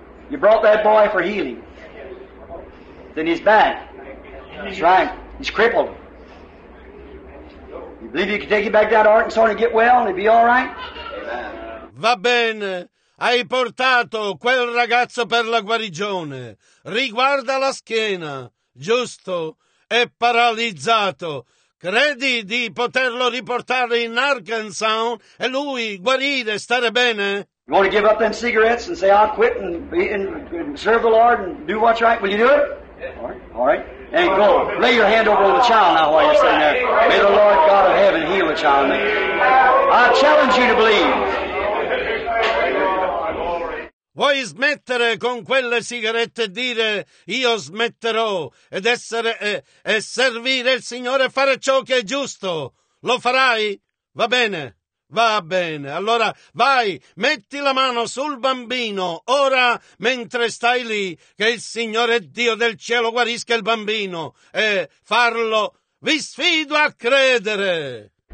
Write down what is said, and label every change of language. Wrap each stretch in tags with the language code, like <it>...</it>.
<en>You brought that boy for healing. Then he's back. That's right. He's crippled. You believe you can take him back down to Arkansas and get well and he'll be all right?</en> <it>Va bene, hai portato quel ragazzo per la guarigione. Riguarda la schiena, giusto? È paralizzato. Credi di poterlo riportare in Arkansas e lui guarire, stare bene?</it> <en>You want to give up them cigarettes and say I'll quit and serve the Lord and do what's right? Will you do it? All right. And go. Lay your hand over on the child now while you're sitting there. May the Lord God of heaven heal the child. I challenge you to believe.</en> <it>Vuoi smettere con quelle sigarette e dire io smetterò ed essere e servire il Signore e fare ciò che è giusto? Lo farai? Va bene, allora vai, metti la mano sul bambino, ora mentre stai lì, che il Signore Dio del cielo guarisca il bambino e farlo, vi sfido a credere.</it>